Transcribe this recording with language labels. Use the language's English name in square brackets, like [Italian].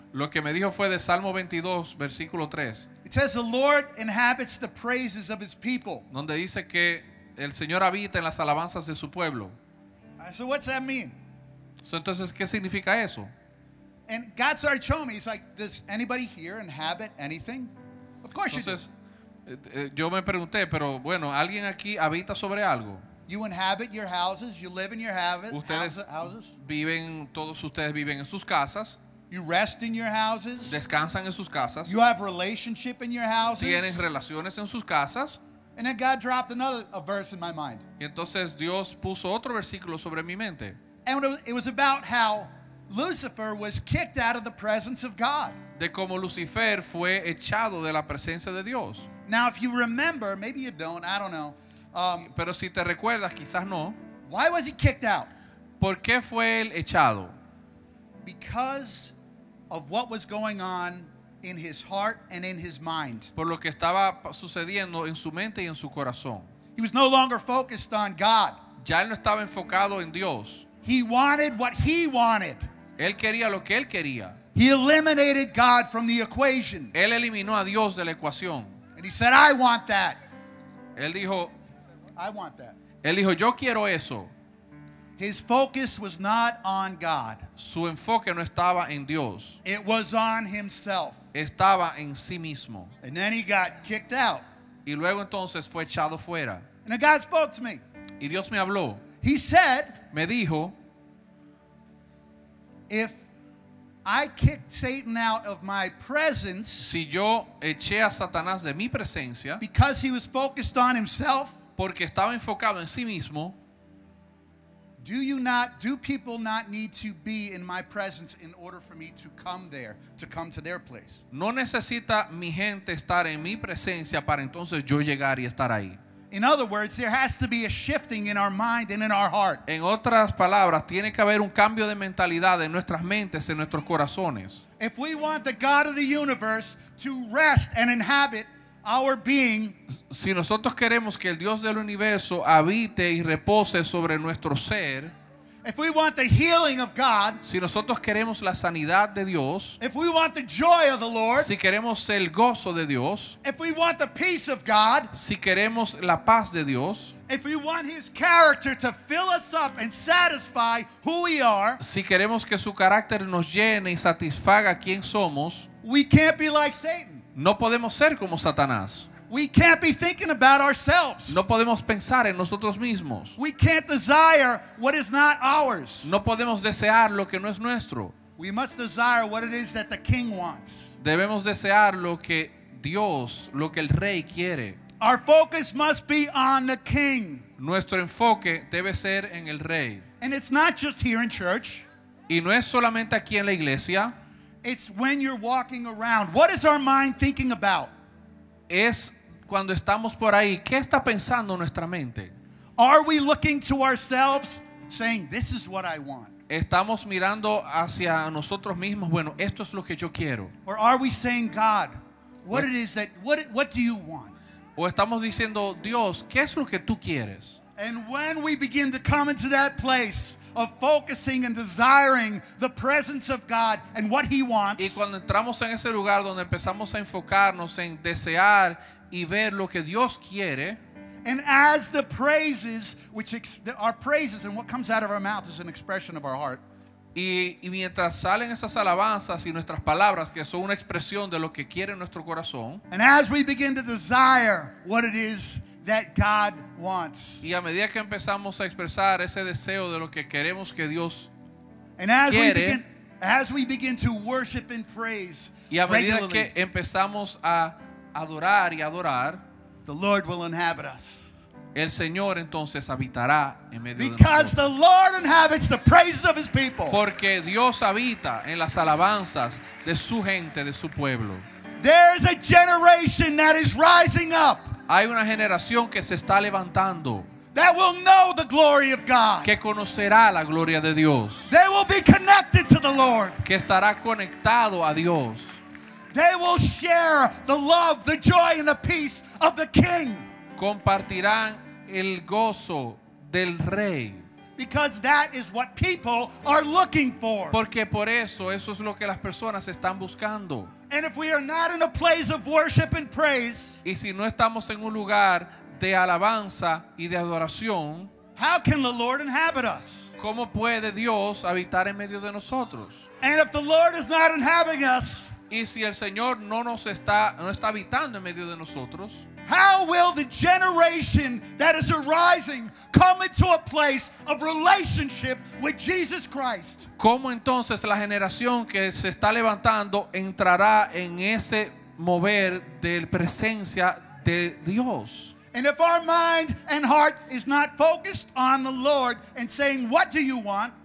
[Spanish] Lo que me dijo fue de Salmo 22 versículo 3. [English] It says the Lord inhabits the praises of his people. [Spanish] Donde dice que el Señor habita en las alabanzas de su pueblo. [English] So what's that mean? [Spanish] So entonces, ¿qué significa eso? [English] And God started showing me. He's like, does anybody here inhabit anything? Of course [Spanish] entonces, [English] you do. [Spanish] Yo me pregunté, pero bueno, ¿alguien aquí habita sobre algo? [English] You inhabit your houses. You live in your houses. [Spanish] Viven, todos ustedes viven en sus casas. [English] You rest in your houses. [Spanish] Descansan en sus casas. [English] You have relationship in your houses. [Spanish] Tienen relaciones en sus casas. [English] And then God dropped another a verse in my mind. [Spanish] Y entonces Dios puso otro versículo sobre mi mente. [English] And it was about how Lucifer was kicked out of the presence of God. [Spanish] De cómo Lucifer fue echado de la presencia de Dios. [English] Now, if you remember, maybe you don't. I don't know. [Spanish] Pero si te recuerdas, quizás no. [English] Why was he kicked out? [Spanish] ¿Por qué fue él echado? [English] Because of what was going on in his heart and in his mind. [Spanish] Por lo que estaba sucediendo en su mente y en su corazón. [English] He was no longer focused on God. [Spanish] Ya él no estaba enfocado en Dios. [English] He wanted what he wanted. [Spanish] Él quería lo que él quería. [English] He eliminated God from the equation. [Spanish] Él eliminó a Dios de la ecuación. [English] And he said, I want that. [Spanish] Él dijo, [English] I want that. [Spanish] Él dijo, yo quiero eso. [English] His focus was not on God. [Spanish] Su enfoque no estaba en Dios. [English] It was on himself. [Spanish] Estaba en sí mismo. [English] And then he got kicked out. [Spanish] Y luego entonces fue echado fuera. [English] And then God spoke to me. [Spanish] Y Dios me habló. [English] He said, [Spanish] me dijo, [English] if I kicked Satan out of my presence, [Spanish] si yo eché a Satanás de mi presencia, [English] because he was focused on himself, [Spanish] porque estaba enfocado en sí mismo, [English] do people not need to be in my presence in order for me to come there, to come to their place? [Spanish] No necesita mi gente estar en mi presencia para entonces yo llegar y estar ahí. [English] In other words, there has to be a shifting in our mind and in our heart. [Spanish] En otras palabras, tiene que haber un cambio de mentalidad en nuestras mentes, en nuestros corazones. [English] If we want the God of the universe to rest and inhabit our being, [Spanish] si nosotros queremos que el Dios del universo habite y repose sobre nuestro ser, [English] if we want the healing of God, [Spanish] si nosotros queremos la sanidad de Dios, [English] if we want the joy of the Lord, [Spanish] si queremos el gozo de Dios, [English] if we want the peace of God, [Spanish] si queremos la paz de Dios, [English] if we want his character to fill us up and satisfy who we are, [Spanish] si queremos que su carácter nos llene y satisfaga quién somos, [English] we can't be like Satan. [Spanish] No podemos ser como Satanás. [English] We can't be thinking about ourselves. [Spanish] No podemos pensar en nosotros mismos. [English] We can't desire what is not ours. [Spanish] No podemos desear lo que no es nuestro. [English] We must desire what it is that the king wants. [Spanish] Debemos desear lo que Dios, lo que el rey quiere. [English] Our focus must be on the king. [Spanish] Nuestro enfoque debe ser en el rey. [English] And it's not just here in church. [Spanish] Y no es solamente aquí en la iglesia. [English] It's when you're walking around. What is our mind thinking about? [Spanish] Es cuando estamos por ahí, ¿qué está pensando nuestra mente? [English] Are we looking to ourselves saying, this is what I want? [Spanish] estamos mirando hacia nosotros mismos, bueno, esto es lo que yo quiero. [English] Or are we saying, God, what it is that what do you want? [Spanish] O estamos diciendo, Dios, ¿qué es lo que tú quieres? [English] And when we begin to come into that place of focusing and desiring the presence of God and what He wants. [Spanish] Y cuando entramos en ese lugar donde empezamos a enfocarnos en desear y ver lo que Dios quiere. [English] And as the praises, which are praises, and what comes out of our mouth is an expression of our heart. [Spanish] Y mientras salen esas alabanzas y nuestras palabras que son una expresión de lo que quiere nuestro corazón. [English] And as we begin to desire what it is that God wants. [Spanish] Y a medida que empezamos a expresar ese deseo de lo que queremos que Dios [English] and as [Spanish] quiere. [English] As we begin to worship and praise. [Spanish] Y a medida [English] regularly, [Spanish] que empezamos a adorar y adorar. [English] The Lord will inhabit us. [Spanish] El Señor entonces habitará en medio [English] because [Spanish] de nosotros. [English] The Lord inhabits the praises of His people. [Spanish] Porque Dios habita en las alabanzas de su gente, de su pueblo. [English] There is a generation that is rising up. [Spanish] Hay una generación que se está levantando. [English] That will know the glory of God. [Spanish] Que conocerá la gloria de Dios. [English] They will be connected to the Lord. [Spanish] Que estará conectado a Dios. [English] They will share the love, the joy, and the peace of the King. [Spanish] Compartirán el gozo del Rey. [English] Because that is what people are looking for. [Spanish] Porque por eso, eso es lo que las personas están buscando. [English] And if we are not in a place of worship and praise, [Spanish] y si no estamos en un lugar de alabanza y de adoración, [English] how can the Lord inhabit us? [Spanish] ¿Cómo puede Dios habitar en medio de nosotros? [English] And if the Lord is not inhabiting us, [Spanish] y si el Señor no nos está, no está habitando en medio de nosotros, [English] how will the generation that is arising come into a place of relationship with Jesus Christ? [Spanish] ¿Cómo entonces la generación que se está levantando entrará en ese mover de presencia de Dios? [English] And if our mind and heart is not focused on the Lord and saying, "What do you want?"